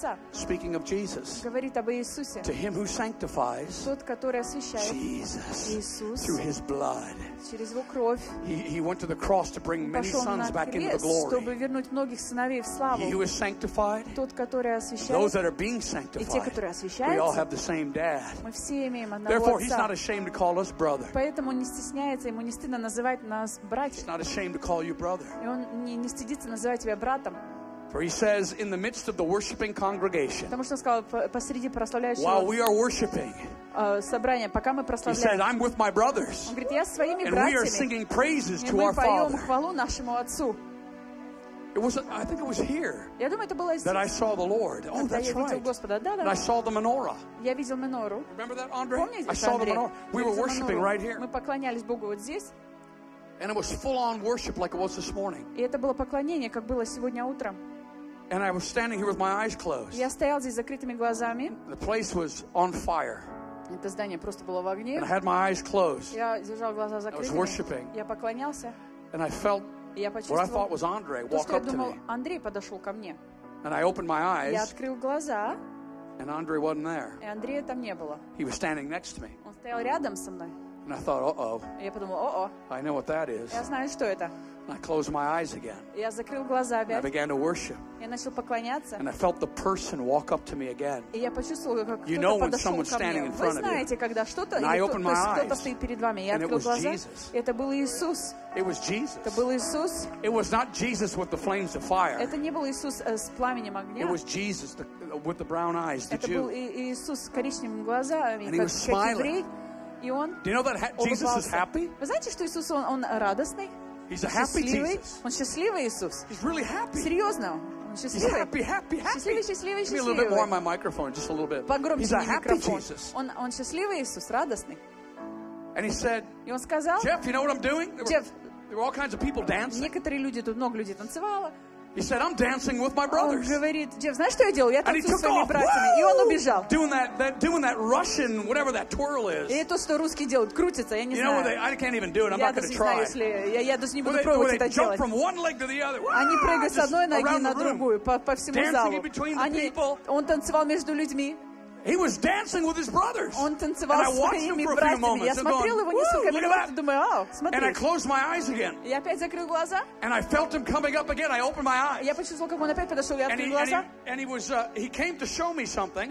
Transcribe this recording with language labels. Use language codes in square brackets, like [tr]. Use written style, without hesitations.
[en] Speaking of Jesus, to him who sanctifies, Jesus, through his blood, he went to the cross to bring many sons back into the glory. He who is sanctified, those that are being sanctified, we all have the same Dad." Therefore, he's not ashamed to call us brother. [ru] Поэтому он не стесняется, ему не стыдно называть нас братьями. [en] He's not ashamed to call you brother. [ru] И он не стыдится называть тебя братом. [en] For he says, in the midst of the worshiping congregation. [ru] Потому что сказал посреди прославляющего. [en] While we are worshiping. [ru] Собрание, пока мы прославляем. [en] He said, I'm with my brothers. [ru] Он говорит, я с своими братьями. [en] And we are singing praises to our Father. [ru] И мы поем хвалу нашему отцу. [en] It was, I think it was here [ru] я думаю, это было здесь. [en] That I saw the Lord. Oh, that's [ru] я видел [en] right. [ru] Господа. Да, да. [en] And I saw the menorah. [ru] Я видел [en] menorah. Remember that, Andre? [ru] Помните, [en] I saw the menorah. We were worshiping right here. [ru] Мы поклонялись Богу вот здесь. [en] And it was full-on worship like it was this morning. [ru] И это было поклонение, как было сегодня утром. [en] And I was standing here with my eyes closed. [ru] Я стоял здесь закрытыми глазами. [en] The place was on fire. [ru] Это здание просто было в огне. [en] And I had my eyes closed. [ru] Я держал глаза закрытыми. [en] I was worshiping. [ru] Я поклонялся. [en] And I felt what I thought was Andre walk up to me. [ru] Андрей подошел ко мне. [en] And I opened my eyes. [ru] Я открыл глаза. [en] And Andre wasn't there. [ru] И Андрея там не было. [en] He was standing next to me. [ru] Он стоял рядом со мной. [en] And I thought, uh-oh. [ru] Я подумал, о-о. [en] I know what that is. [ru] Я знаю, что это. [en] I closed my eyes again. [ru] Я закрыл глаза опять. [en] And I began to worship. [ru] Я начал поклоняться. [en] And I felt the person walk up to me again. [ru] И я почувствовал, как кто-то [en] you know when someone's standing in front of you. [ru] Вы знаете, когда что-то, [en] and I opened my eyes. [ru] Кто-то стоит перед вами. Я открыл глаза. И это был Иисус. [en] It was Jesus. [ru] Это был Иисус. [en] It was not Jesus with the flames of fire. [ru] Это не был Иисус с пламенем огня. [en] It was Jesus with the brown eyes, the Jew. [ru] Это был Иисус с коричневыми глазами. [en] And he was smiling. [ru] И он [en] Do you know that Jesus is happy? [ru] Вы знаете, что Иисус, он радостный? [en] He's a happy Jesus. [ru] Он счастливый Иисус. [en] He's really happy. [ru] Серьезно, он счастливый. [en] He's happy, happy, happy. [ru] Счастливый. [en] Give me a little bit more on my microphone, just a little bit. [ru] Погромче [en] He's a happy [ru] микрофон. [en] Jesus. [ru] Он счастливый Иисус, радостный. [en] And he said, [ru] и он сказал, [en] Jeff, you know what I'm doing? Jeff, there were all kinds of people dancing. [ru] Некоторые люди, тут много людей танцевало. [en] He said, I'm dancing with my brothers. [ru] Он говорит, Джефф, знаешь, что я делал? Я танцую с своими братьями. И он убежал. [en] Doing that Russian, whatever that twirl is. [ru] И то, что русские делают, крутится, я не [en] you [ru] знаю. [en] I can't even do it. I'm [ru] я [en] not going to try. [ru] Знаю, если, я даже не буду they, пробовать это делать. [en] Jump from one leg to the other. [ru] Они прыгают с одной ноги на другую по всему [en] dancing [ru] залу. [en] Dancing between the people. [ru] Он танцевал между людьми. [en] He was dancing with his brothers. [ru] Он танцевал [en] and I watched [ru] своими [en] him for [ru] братьями. [en] A few moments, [ru] я смотрел его несколько минут, думаю, о, смотри. [en] And I closed my eyes again. [ru] Я опять закрыл глаза. [en] And I felt him coming up again. I opened my eyes. [ru] Я почувствовал, как он опять подошел, я открыл глаза. [en] And he was he came to show me something.